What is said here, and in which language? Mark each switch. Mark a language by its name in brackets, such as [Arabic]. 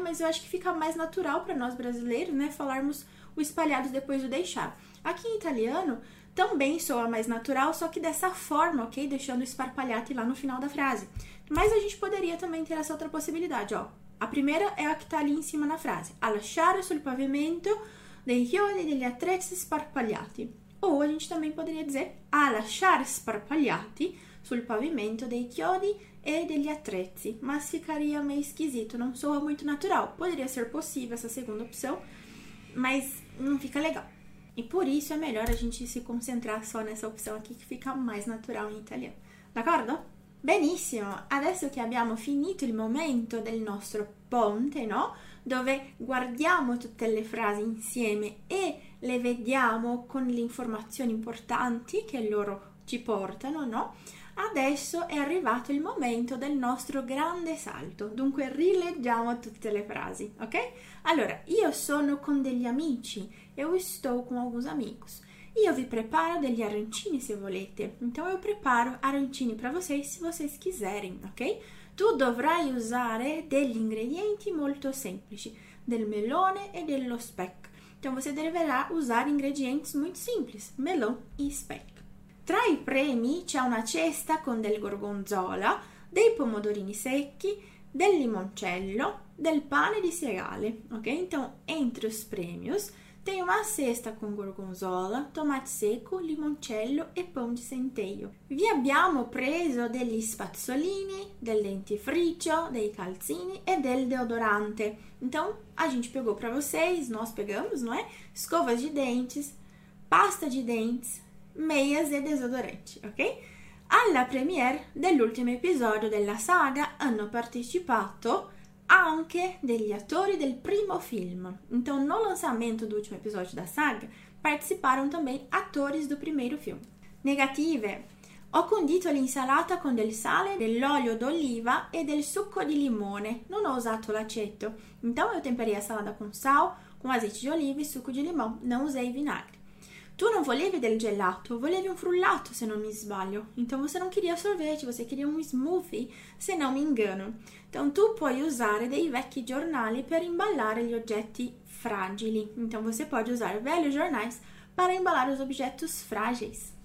[Portuguese] Mas eu acho que fica mais natural para nós brasileiros, né? Falarmos o espalhados depois do deixar. Aqui em italiano, também soa mais natural, só que dessa forma, ok? Deixando esparpalhate lá no final da frase. Mas a gente poderia também ter essa outra possibilidade, ó. A primeira é a que tá ali em cima na frase. [Italian] A lasciare sul pavimento dei chiodi degli attrezzi sparpagliati. Ou a gente também poderia dizer a lasciare sparpagliati sul pavimento dei chiodi e degli attrezzi. [Portuguese] Mas ficaria meio esquisito, não soa muito natural. Poderia ser possível essa segunda opção, mas não fica legal. E por isso é melhor a gente se concentrar só nessa opção aqui que fica mais natural em italiano. [Italian] D'accordo? Benissimo, adesso che abbiamo finito il momento del nostro ponte, no? Dove guardiamo tutte le frasi insieme e le vediamo con le informazioni importanti che loro ci portano, no? Adesso è arrivato il momento del nostro grande salto, dunque rileggiamo tutte le frasi, ok? Allora, io sono con degli amici, [Portuguese] eu estou com alguns amigos. [Italian] Io vi preparo degli arancini se volete. [Portuguese] Então eu preparo arancini para vocês se vocês quiserem, ok? [Italian] Tu dovrai usare degli ingredienti molto semplici, del melone e dello speck. [Portuguese] Então você deverá usar ingredientes muito simples, melão e speck. [Italian] Tra i premi c'è una cesta con del gorgonzola, dei pomodorini secchi, del limoncello, del pane di segale, ok? [Portuguese] Então entre os prêmios tem uma cesta com gorgonzola, tomate seco, limoncello e pão de centeio. [Italian] Vi abbiamo preso degli spazzolini, del dentifricio, dei calzini e del deodorante. [Portuguese] Então, a gente pegou para vocês, nós pegamos, não é? Escovas de dentes, pasta de dentes, meias e desodorante, ok? [Italian] Alla premiere dell'ultimo episodio della saga hanno partecipato anche degli attori del primo film. [Portuguese] Então, no lançamento do último episódio da saga, participaram também atores do primeiro filme. Negative. [Italian] Ho condito l'insalata con del sale, dell'olio d'oliva e del succo di limone. Non ho usato l'aceto. [Portuguese] Então, eu temperei a salada com sal, com azeite de oliva e suco de limão. Não usei vinagre. [Italian] Tu non volevi del gelato, volevi un frullato, se non mi sbaglio. [Portuguese] Então, você não queria sorvete, você queria un smoothie, [Italian] se non mi ingano. Então, tu puoi usare dei vecchi giornali per imballare gli oggetti fragili. [Portuguese] Então, você pode usar [Italian] vecchi giornali per imballare [Portuguese] os objetos frágeis.